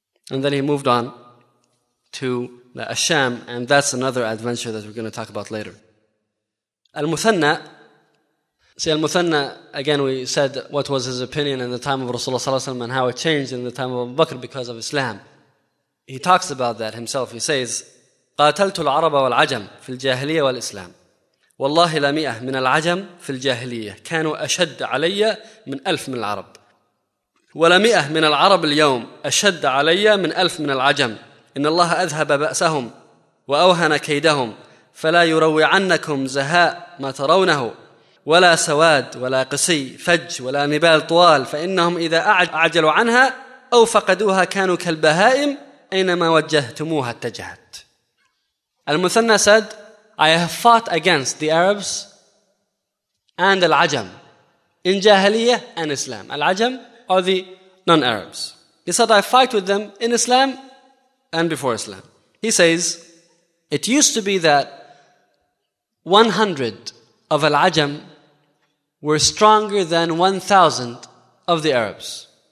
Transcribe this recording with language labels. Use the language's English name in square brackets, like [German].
[English] And then he moved on to the Asham, and that's another adventure that we're going to talk about later. Al-Muthanna, see Al-Muthanna, again we said what was his opinion in the time of Rasulullah ﷺ and how it changed in the time of Abu Bakr because of Islam. He talks about that himself. He says, [Arabic] قَاتَلْتُ الْعَرَبَ وَالْعَجَمْ فِي الْجَاهِلِيَّةِ وَالْإِسْلَامِ وَاللَّهِ لَمِئَةٌ مِنَ الْعَجَمْ فِي الْجَاهِلِيَّةِ كَانُوا أَشَدَّ عَلَيَّ مِنْ أَلْفٍ مِنَ الْعَرَبِ ولمئة من العرب اليوم أشد علي من ألف من العجم إن الله أذهب بأسهم وأوهن كيدهم فلا يروعنكم زهاء ما ترونه ولا سواد ولا قسي فج ولا نبال طوال فإنهم إذا أعجلوا عنها أو فقدوها كانوا كالبهائم أينما وجهتموها اتجهت. [English] المثنى said, I have fought against the Arabs and العجم in جاهلية and Islam. العجم are the non-Arabs. He said, I fight with them in Islam and before Islam. He says, it used to be that 100 of Al-Ajam were stronger than 1,000 of the Arabs.